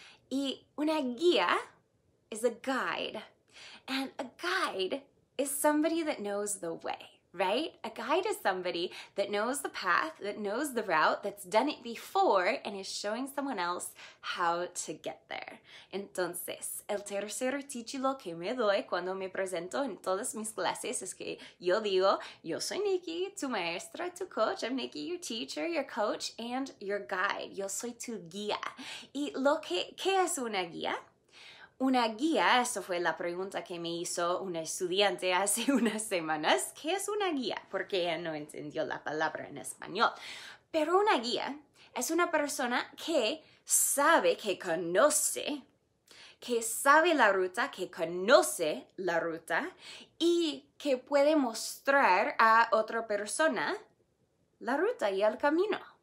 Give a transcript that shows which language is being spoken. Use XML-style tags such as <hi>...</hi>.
<es>Y una guía</es> <en>is a guide. And a guide is somebody that knows the way. right? A guide is somebody that knows the path, that knows the route, that's done it before, and is showing someone else how to get there.</en> <es>Entonces, el tercer título que me doy cuando me presento en todas mis clases es que yo digo, yo soy Nikki, tu maestra, tu coach.</es> <en>I'm Nikki, your teacher, your coach, and your guide.</en> <es>Yo soy tu guía. ¿Y lo que, qué es una guía? Una guía, eso fue la pregunta que me hizo un estudiante hace unas semanas. ¿Qué es una guía? Porque ella no entendió la palabra en español. Pero una guía es una persona que sabe, que conoce, que sabe la ruta, que conoce la ruta y que puede mostrar a otra persona la ruta y el camino.</es>